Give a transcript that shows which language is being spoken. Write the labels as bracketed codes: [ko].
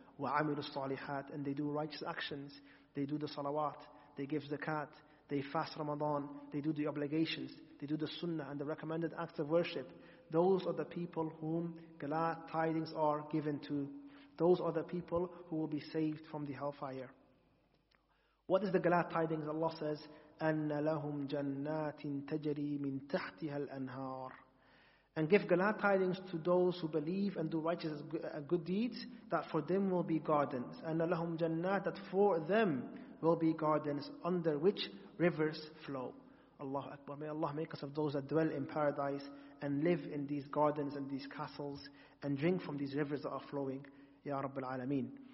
[ar] وَعَمِلُوا الصَّالِحَاتِ, [en] and they do righteous actions. They do the salawat. They give zakat. They fast Ramadan. They do the obligations. They do the sunnah and the recommended acts of worship. Those are the people whom glad tidings are given to. Those are the people who will be saved from the hellfire. What is the glad tidings? Allah says, [ar] أَنَّ لَهُمْ جَنَّاتٍ تَجَرِي مِنْ تَحْتِهَا الْأَنْهَارِ. [en] And give glad tidings to those who believe and do righteous good deeds, that for them will be gardens. [ar] أَنَّ لَهُمْ جَنَّاتٍ, [en] that for them will be gardens under which rivers flow. Allahu Akbar. May Allah make us of those that dwell in paradise and live in these gardens and these castles and drink from these rivers that are flowing. Ya Rabbil Alameen.